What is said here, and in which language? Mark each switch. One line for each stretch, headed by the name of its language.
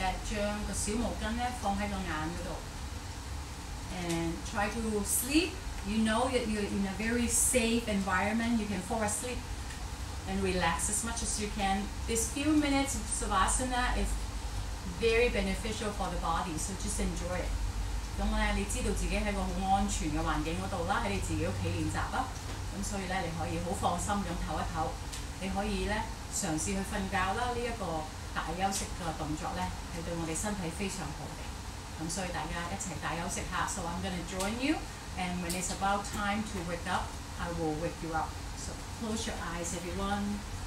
Chinese: 將小毛巾放在眼睛那裡.
English: And try to sleep. You know that you're in a very safe environment. You can fall asleep and relax as much as you can. This few minutes of Savasana is very beneficial for the body, so just enjoy it.
Chinese: 你知道自己在一個很安全的環境那裡，在你自己家裡練習，所以你可以很放心地休息，你可以嘗試去睡覺，這個大休息的動作是對我們身體非常好的，所以大家一起大休息一下。
English: So I'm going to join you, and when it's about time to wake up, I will wake you up. So close your eyes, everyone.